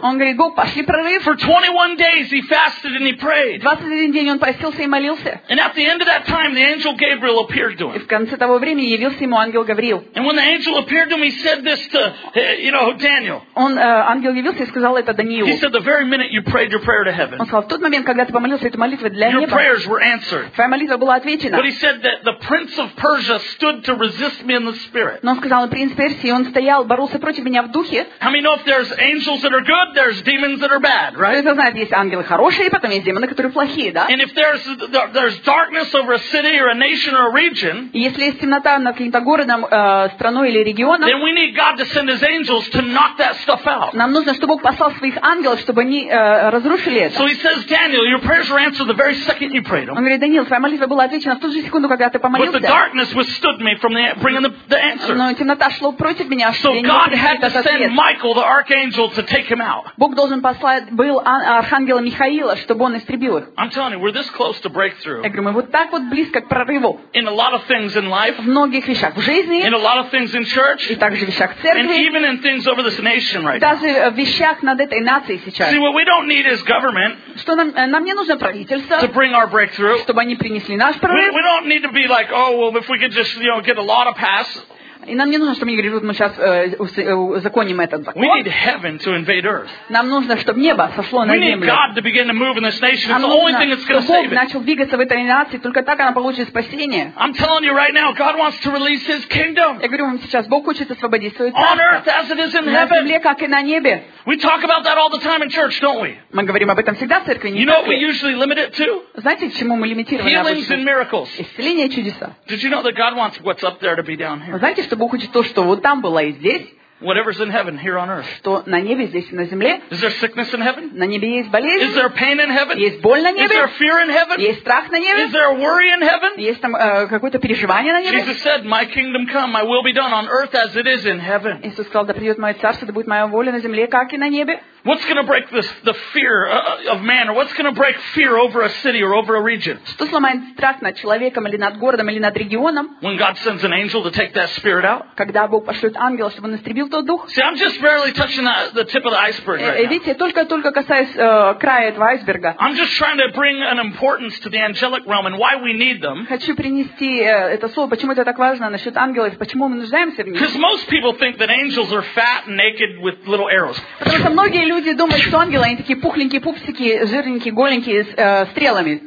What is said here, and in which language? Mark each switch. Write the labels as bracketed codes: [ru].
[ru] Он говорит, Бог, пошли прорыв. [en] For 21 days he fasted and he prayed. [ru] 21 день он постился и молился. [en] And at the end of that time, the angel Gabriel appeared to him. [ru] И в конце того времени явился ему ангел Гавриил. [en] And when the angel appeared to him, he said this to, you know, Daniel. [ru] Он ангел явился и сказал это Даниилу. [en] He said, the very minute you prayed. [ru] Он сказал, в тот момент, когда ты помолился этой молитвой для неба, твоя молитва была отвечена. Но он сказал, принц Персии, он стоял, боролся против меня в духе. Кто это знает, есть ангелы хорошие, потом есть демоны, которые плохие, да? И если есть темнота над каким-то городом, страной или регионом, нам нужно, чтобы Бог послал своих ангелов, чтобы они разрушили разрушили это. [en] So he says, Daniel, your prayers were answered the very second you prayed them. [ru] Он говорит, Даниил, твоя молитва была ответчена в ту же секунду, когда ты помолился. [en] But the darkness withstood me from bringing the answer. [ru] Но темнота шла против меня, [en] so God had to send Michael, the archangel, to take him out. [ru] Бог должен послать был архангела Михаила, чтобы он истребил их. [en] I'm telling you, we're this close to breakthrough. [ru] Я говорю, мы вот так вот близко к прорыву. [en] In a lot of things in life. [ru] В многих вещах в жизни. [en] In a lot of things in church. [ru] И также в вещах в церкви. [en] And even in things over this nation right now. [ru] Даже в вещах над этой нацией сейчас. [en] See, what we don't need is government. [ru] Что нам не нужно правительство. [en] To bring our breakthrough. [ru] Чтобы они принесли наш прорыв. [en] We don't need to be like, oh, well, if we could just, you know, get a law to pass. [ru] И нам не нужно, чтобы они говорили, мы сейчас узаконим этот закон. [en] We need heaven to invade earth. [ru] Нам нужно, чтобы небо сошло на [en] we [ru] землю. [en] We need God to begin to move in this nation. It's the only thing that's going to save it. [ru] Бог начал двигаться в этой нации, только так она получит спасение. [en] I'm telling you right now, God wants to release His kingdom. [ru] Я говорю вам сейчас, Бог хочет освободить свое царство. [en] On earth as it is in heaven. [ru] На земле, как и на небе. [en] We talk about that all the time in church, don't we? [ru] Мы говорим об этом всегда в церкви. [en] You know what we usually limit it to? [ru] Знаете, к чему мы лимитируем? [en] Healings and miracles. [ru] Исцеления и чудеса. [en] Did you know that God wants what's up there to be down here? [ru] Знаете, что Бог хочет то, что вот там было и здесь. [en] Whatever's in heaven, here on earth. [ru] Что на небе, здесь и на земле. [en] Is there sickness in heaven? [ru] На небе есть болезнь. [en] Is there pain in heaven? [ru] Есть боль на небе. [en] Is there fear in heaven? [ru] Есть страх на небе. [en] Is there worry in heaven? [ru] Есть там какое-то переживание на небе. [en] Jesus said, "My kingdom come, my will be done on earth as it is in heaven." [ru] Иисус сказал, да придет мое царство, да будет моя воля на земле, как и на небе. [en] What's going to break the fear of man, or what's going to break fear over a city or over a region? [ru] Что сломает страх над человеком или над городом или над регионом? [en] When God sends an angel to take that spirit out? [ru] Когда Бог пошлет ангела, чтобы он истребил тот дух? [en] See, I'm just barely touching the tip of the iceberg right now. [ru] Видите, только касаюсь края этого айсберга. [en] I'm just trying to bring an importance to the angelic realm and why we need them. [ru] Хочу принести это слово, почему это так важно насчет ангелов, почему мы нуждаемся в них? [en] Because most people think that angels are fat and naked with little arrows. [ru] Потому что многие люди думают, что ангелы, они такие пухленькие пупсики, жирненькие, голенькие, с стрелами.